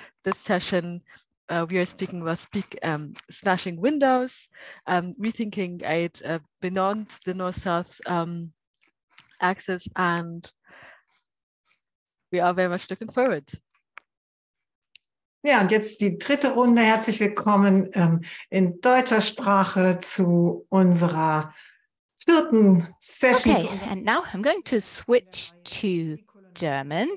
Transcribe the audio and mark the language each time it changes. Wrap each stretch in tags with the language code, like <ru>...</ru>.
<en>This session, we are speaking about smashing windows, rethinking aid beyond the north-south axis, and we are very much looking forward.</en> <de>Ja, und jetzt die dritte Runde. Herzlich willkommen in deutscher Sprache zu unserer vierten Session.</de> <en>Okay, and now I'm going to switch to German.</en>